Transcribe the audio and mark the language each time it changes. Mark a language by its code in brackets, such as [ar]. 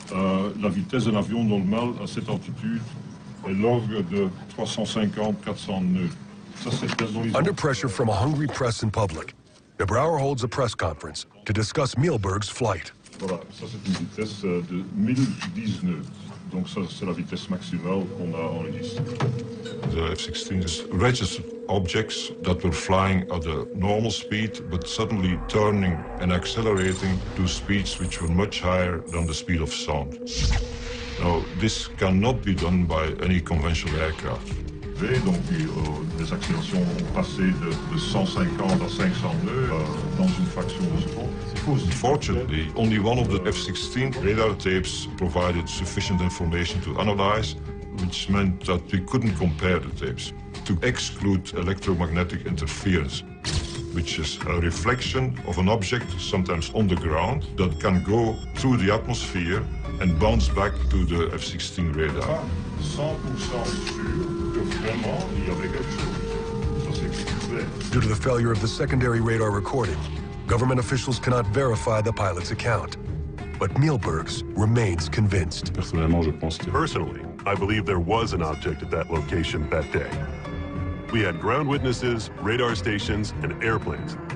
[fr] Bon, la vitesse de l'avion normal à cette altitude est l'ordre de 350-400 nœuds. [en] Under pressure from a hungry press and public, De Brouwer holds a press conference to discuss Mielberg's flight. [fr] Voilà, ça c'est une vitesse de 1010 nœuds. Donc ça, c'est la vitesse maximale qu'on a enregistrée. [en] The F-16 is registered objects that were flying at a normal speed, but suddenly turning and accelerating to speeds which were much higher than the speed of sound. Now, this cannot be done by any conventional aircraft. [fr] Donc les accélérations ont passé de 150 à 500 nœuds dans une fraction de seconde. [en] Fortunately, only one of the F-16 radar tapes provided sufficient information to analyze, which meant that we couldn't compare the tapes to exclude electromagnetic interference, which is a reflection of an object, sometimes on the ground, that can go through the atmosphere and bounce back to the F-16 radar. [fr] 100% sûr que vraiment il y avait quelque chose. [en] Due to the failure of the secondary radar recording, government officials cannot verify the pilot's account, but Mielberg's remains convinced. Personally, I believe there was an object at that location that day. We had ground witnesses, radar stations, and airplanes.